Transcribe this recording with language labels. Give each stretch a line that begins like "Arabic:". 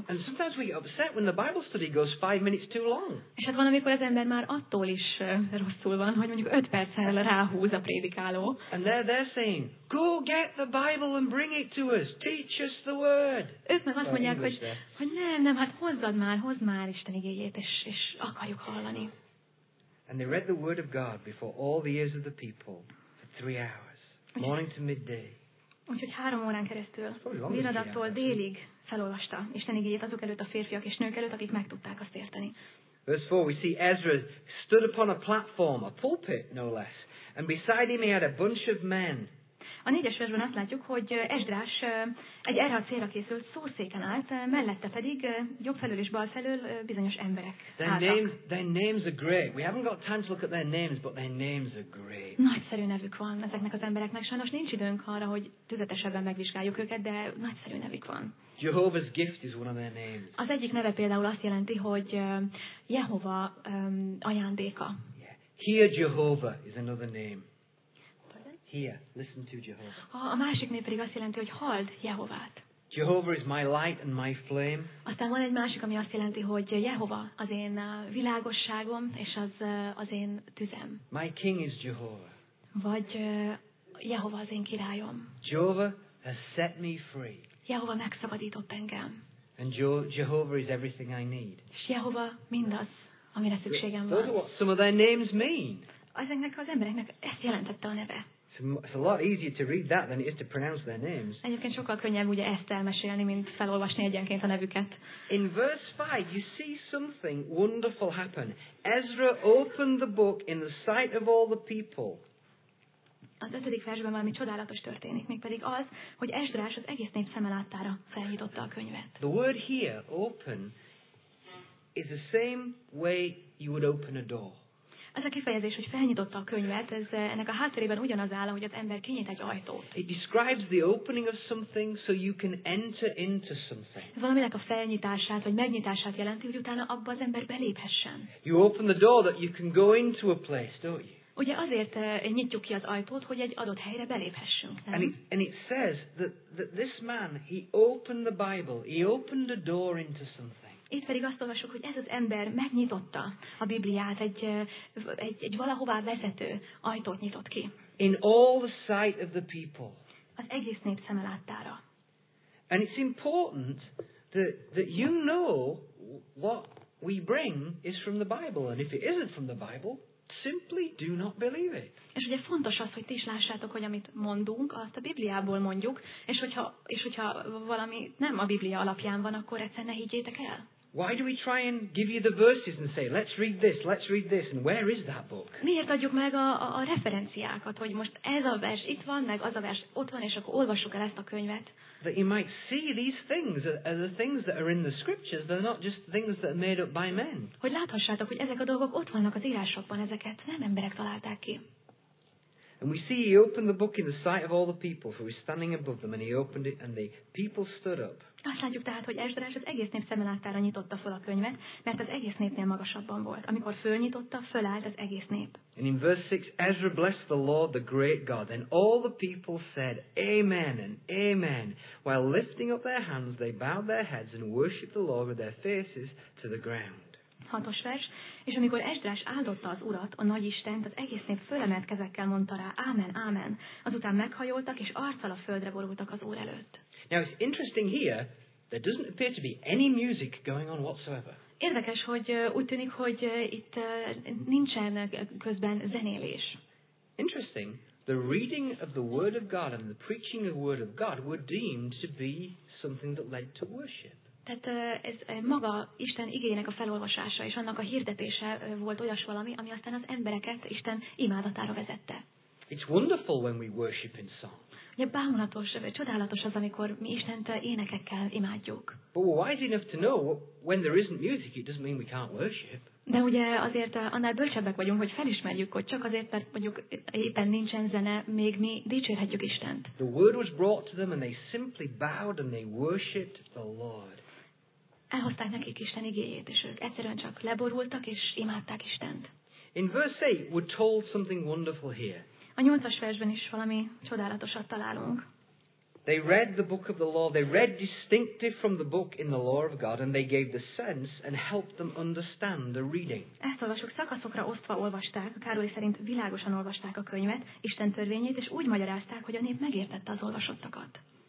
English: And sometimes we upset when the Bible study goes 5 minutes too long.
Hungarian: És hát van, amikor az ember már attól is rosszul van, hogy mondjuk 5 perccel ráhúz a prédikáló.
English: And they're saying, go get the Bible and bring it to us. Teach us the word.
Hungarian: Ők meg azt mondják, hogy nem, hát hozd már Isten igényét, és akarjuk hallani.
English: And they read the word of God before all the ears of the people for 3 hours. Morning to midday.
Hungarian: Úgyhogy 3 órán keresztül viradattól délig felolvasta Isten igényét azok előtt, a férfiak és nők előtt, akik meg tudták azt érteni.
English: Verse 4, we see Ezra stood upon a platform, a pulpit no less, and beside him he had a bunch of men.
Hungarian: A 4-es versben azt látjuk, hogy Esdrás egy erre a célra készült szószéken állt, mellette pedig jobb felől és bal felől bizonyos emberek álltak.
English: Their names are great. We haven't got time to look at their names, but their names are great.
Hungarian: Nagyszerű nevük van ezeknek az embereknek. Sajnos nincs időnk arra, hogy tüzetesebben megvizsgáljuk őket, de nagyszerű nevük van.
English: Jehovah's gift is one of their names.
Hungarian: Az egyik neve például azt jelenti, hogy Jehova ajándéka.
English: Yeah. Here Jehovah is another name. Here, listen to Jehovah.
Hungarian: A másik név pedig azt jelenti, hogy halld Jehovát.
English: Jehovah is my light and my flame.
Hungarian: Aztán van egy másik, ami azt jelenti, hogy Jehova az én világosságom és az én tüzem.
English: My king is Jehovah.
Hungarian: Vagy Jehova az én királyom.
English: Jehovah has set me free.
Hungarian: Jehova megszabadított engem.
English: And Jehovah is everything I need.
Hungarian: És Jehova mindaz, amire szükségem van.
English: Those are what some of their names mean.
Hungarian: Ezeknek az embereknek ezt jelentette a neve.
English: It's a lot easier to read that than it is to pronounce their names.
Hungarian: Egyébként sokkal könnyebb ugye ezt elmesélni, mint felolvasni egyenként a nevüket.
English: In verse 5, you see something wonderful happen. Ezra opened the book in the sight of all the people.
Hungarian: Az 5. versben valami csodálatos történik, mégpedig az, hogy Esdrás az egész nép szeme láttára felnyitotta a könyvet.
English: The word here, open, is the same way you would open a door.
Hungarian: Ez a kifejezés, hogy felnyitotta a könyvet, ez ennek a hátterében ugyanaz áll, hogy az ember kinyit egy ajtót.
English: It describes the opening of something so you can enter into something.
Hungarian: Valaminek a felnyitását vagy megnyitását jelenti, hogy utána abba az ember beléphessen.
English: You open the door that you can go into a place, don't you?
Hungarian: Ugye azért nyitjuk ki az ajtót, hogy egy adott helyre beléphessünk. Nem?
English: And it says that this man, he opened the Bible, he opened a door into something.
Hungarian: Itt pedig azt olvasok, hogy ez az ember megnyitotta a Bibliát, egy valahová vezető ajtót nyitott ki.
English: In all the sight of the people.
Hungarian: Az egész nép szeme láttára.
English: And it's important that you know what we bring is from the Bible, and if it isn't from the Bible, simply do not believe it.
Hungarian: És ugye fontos az, hogy ti is lássátok, hogy amit mondunk, azt a Bibliából mondjuk, és hogyha valami nem a Biblia alapján van, akkor egyszer ne higgyétek el.
English: Why do we try and give you the verses and say, let's read this, and where is that book?
Hungarian: Miért adjuk meg a referenciákat, hogy most ez a vers itt van, meg az a vers ott van, és akkor olvassuk el ezt a könyvet?
English: That you might see these things are the things that are in the scriptures, they're not just things that are made up by men.
Hungarian: Hogy láthassátok, hogy ezek a dolgok ott vannak az írásokban, ezeket nem emberek találták ki.
English: And we see he opened the book in the sight of all the people who were standing above them, and he opened it, and the people stood up.
Hungarian: Azt látjuk tehát, hogy Esdrás az egész nép szemlátára nyitotta fel a könyvet, mert az egész népnél magasabban volt. Amikor fölnyitotta, fölállt az egész nép.
English: And in verse 6, Ezra blessed the Lord, the great God, and all the people said, Amen and Amen. While lifting up their hands, they bowed their heads and worshipped the Lord with their faces to the ground.
Hungarian: Hatos vers, és amikor Esdrás áldotta az Urat, a nagy Istent, az egész nép fölemelt kezekkel mondta rá, Ámen, Ámen. Azután meghajoltak, és arccal a földre borultak az Úr előtt.
English: Now it's interesting here, there doesn't appear to be any music going on whatsoever.
Hungarian: Érdekes, hogy úgy tűnik, hogy itt nincsen közben zenélés.
English: Interesting, the reading of the Word of God and the preaching of the Word of God were deemed to be something that led to worship.
Hungarian: Tehát ez maga Isten igényének a felolvasása és annak a hirdetése volt olyas valami, ami aztán az embereket Isten imádatára vezette.
English: It's wonderful when we worship in song.
Hungarian: Ugye bámulatos, csodálatos az, amikor mi Istent énekekkel imádjuk.
English: But we're wise enough to know when there isn't music, it doesn't mean we can't worship.
Hungarian: De ugye azért annál bölcsebbek vagyunk, hogy felismerjük, hogy csak azért, mert mondjuk éppen nincsen zene, még mi dicsérhetjük Istent.
English: The word was brought to them, and they simply bowed and they worshipped the Lord.
Hungarian: Elhozták nekik Isten igéjét, és ők egyszerűen csak leborultak és imádták Istent.
English: In verse 8, we're told something wonderful here.
Hungarian: A 8-as versben is valami csodálatosat találunk.
English: They read the book of the law, they read distinctive from the book in the law of God, and they gave the sense and helped them understand the reading.
Hungarian: Ezt olvasuk, szakaszokra osztva olvasták, a Károly szerint világosan olvasták a könyvet, Isten törvényét, és úgy magyarázták, hogy a nép megértette az olvasottakat.